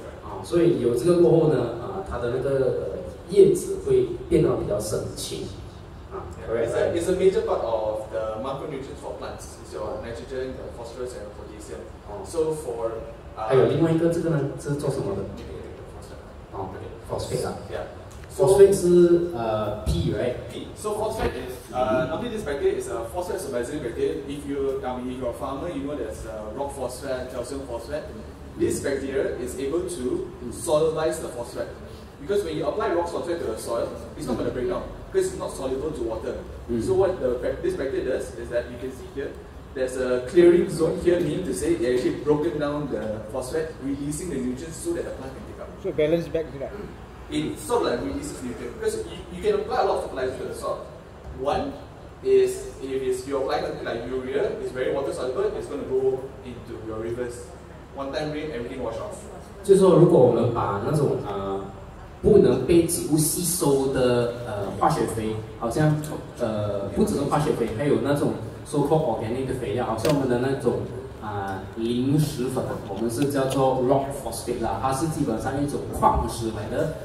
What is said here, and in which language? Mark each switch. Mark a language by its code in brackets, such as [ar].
[zh] 啊，所以有这个过后呢，它的那个叶子会变得比较深青。 [en] It's a major part of the macronutrients for plants. It's your nitrogen, the phosphorus, and potassium. So for [zh] 还有另外一个，这个呢是做什么的？哦 ，phosphate 啊 [en] ，phosphate [zh] 是P right？ [en] P. So phosphate is normally this bacteria is a phosphate solubilizing bacteria. If you, I mean, if you're a farmer, you know there's rock phosphate, calcium phosphate. This bacteria is able to solubilize the phosphate because when you apply rock phosphate to the soil, it's not going to break down because it's not soluble to water. So what this bacteria does is that you can see here. There's a clearing zone here, meaning to say they actually broken down the phosphate, releasing the nutrients so that the plant can take up. So balance back to that. It's sort of like releasing nutrients because you can apply a lot of fertilizer to the soil. One is if it's you apply something like urea, it's very water soluble, it's going to go into your rivers. One time rain, everything wash off. [zh] 就是说，如果我们把那种不能被植物吸收的化学肥，好像不只是化学肥，还有那种。 [en] So-called organic [zh] 的肥料，好像我们的那种磷石粉，我们是叫做 rock phosphate 啦，它是基本上一种矿石来的。